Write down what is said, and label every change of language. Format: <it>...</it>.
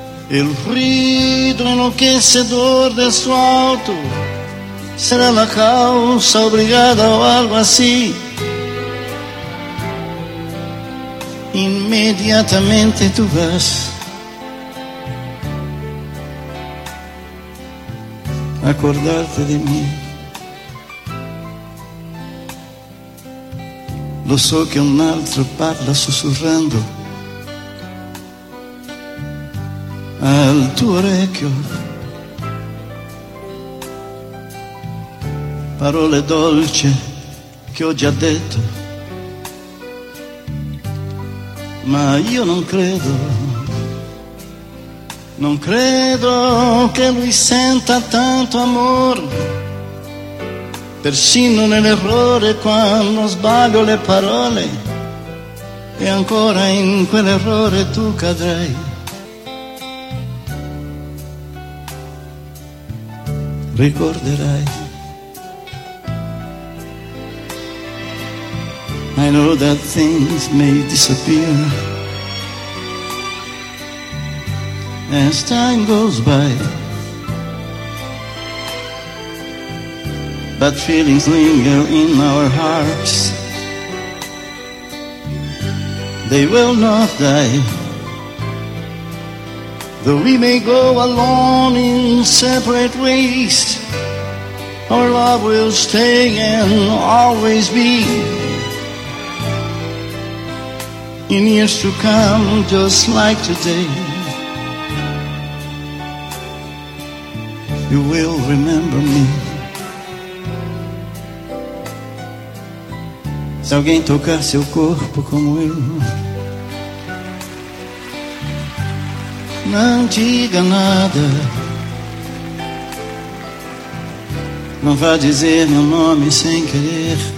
<es>El ruido enloquecedor de su auto será la causa obligada o algo así. Inmediatamente tú vas a acordarte de mí.</es> <it>Lo so che un altro parla sussurrando al tuo orecchio parole dolci che ho già detto, ma io non credo, non credo che lui senta tanto amore. Persino nell'errore, quando sbaglio le parole, e ancora in quell'errore tu cadrai. Ricorderai,</it> <en>I know that things may disappear as time goes by, but feelings linger in our hearts, they will not die. Though we may go alone in separate ways, our love will stay and always be. In years to come, just like today, you will remember me.</en> <pt>Se alguém tocar seu corpo como eu, não diga nada, não vá dizer meu nome sem querer.</pt>